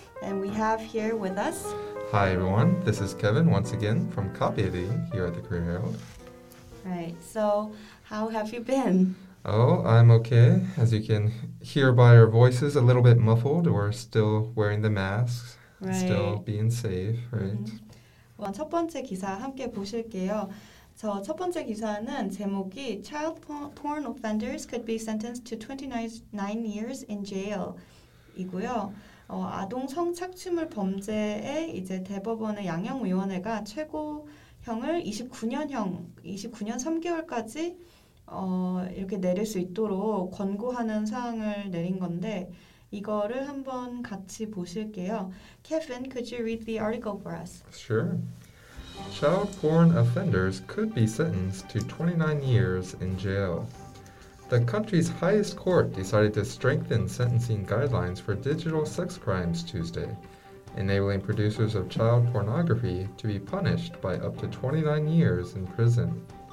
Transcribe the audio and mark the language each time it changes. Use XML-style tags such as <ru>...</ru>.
<en>And we have here with us... Hi everyone, this is Kevin once again from Copy Editing here at the Korea Herald. Right, so how have you been? Oh, I'm okay. As you can hear by our voices, a little bit muffled. We're still wearing the masks, right. Still being safe, right? Mm-hmm.</en> <ko>첫 번째 기사 함께 보실게요. 저 첫 번째 기사는 제목이</ko> <en>Child porn offenders could be sentenced to 29 years in jail</en> <ko>이고요. 아동 성착취물 범죄에 이제 대법원의 양형위원회가 최고형을 29년 3개월까지 이렇게 내릴 수 있도록 권고하는 사항을 내린 건데 이거를 한번 같이 보실게요.</ko> <en>Kevin, could you read the article for us? Sure. Child porn offenders could be sentenced to 29 years in jail. The country's highest court decided to strengthen sentencing guidelines for digital sex crimes Tuesday, enabling producers of child pornography to be punished by up to 29 years in prison.</en>